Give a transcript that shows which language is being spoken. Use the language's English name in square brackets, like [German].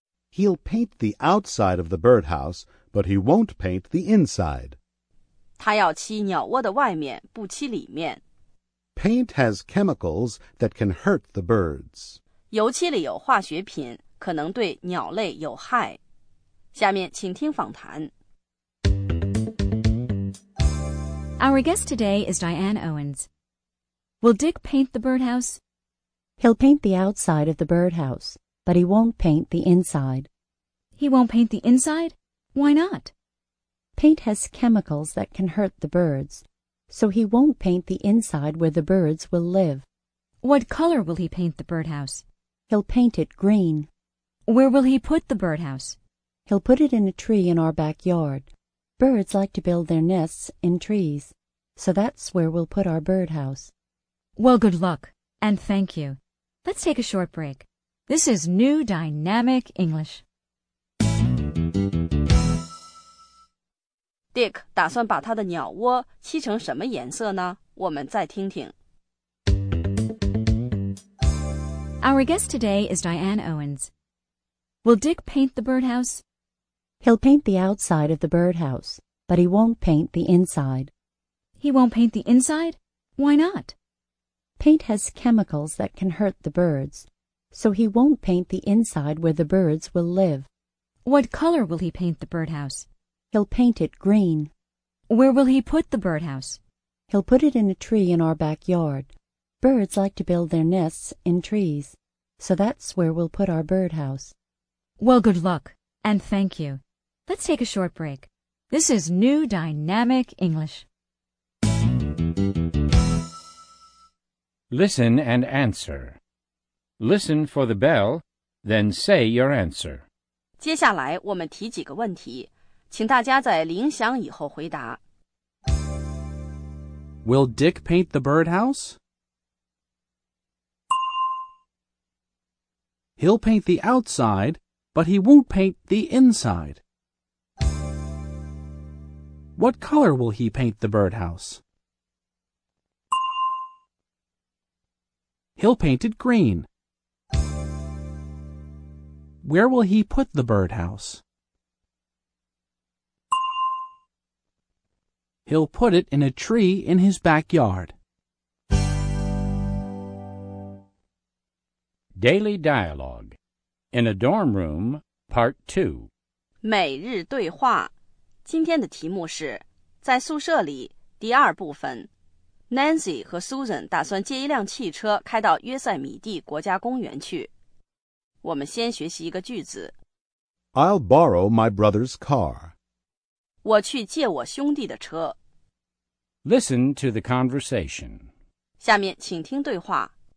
[English] He'll paint the outside of the birdhouse, but he won't paint the inside. [Chinese] 他要漆鸟窝的外面，不漆里面。 [English] Paint has chemicals that can hurt the birds. [Chinese] 油漆里有化学品，可能对鸟类有害。下面请听访谈。 [English] Our guest today is Diane Owens. Will Dick paint the birdhouse? He'll paint the outside of the birdhouse, but he won't paint the inside. He won't paint the inside? Why not? Paint has chemicals that can hurt the birds, so he won't paint the inside where the birds will live. What color will he paint the birdhouse? He'll paint it green. Where will he put the birdhouse? He'll put it in a tree in our backyard. Birds like to build their nests in trees, so that's where we'll put our birdhouse. Well, good luck, and thank you. Let's take a short break. This is New Dynamic English. [Chinese] Dick 打算把他的鸟窝漆成什么颜色呢？我们再听听。 [English] Our guest today is Diane Owens. Will Dick paint the birdhouse? He'll paint the outside of the birdhouse, but he won't paint the inside. He won't paint the inside? Why not? Paint has chemicals that can hurt the birds, so he won't paint the inside where the birds will live. What color will he paint the birdhouse? He'll paint it green. Where will he put the birdhouse? He'll put it in a tree in our backyard. Birds like to build their nests in trees, so that's where we'll put our birdhouse. Well, good luck, and thank you. Let's take a short break. This is New Dynamic English. Listen and answer. Listen for the bell, then say your answer. [Chinese] 接下来我们提几个问题。请大家在铃响以后回答。 [English] Will Dick paint the birdhouse? He'll paint the outside, but he won't paint the inside. What color will he paint the birdhouse? He'll paint it green. Where will he put the birdhouse? He'll put it in a tree in his backyard. Daily Dialogue In a Dorm Room, Part 2 [Chinese] 每日对话今天的题目是在宿舍里第二部分 Nancy 和 Susan 打算借一辆汽车开到约塞米蒂国家公园去。我们先学习一个句子 [English] I'll borrow my brother's car. [Chinese] 我去借我兄弟的车。 [English] Listen to the conversation. [Chinese] 下面请听对话。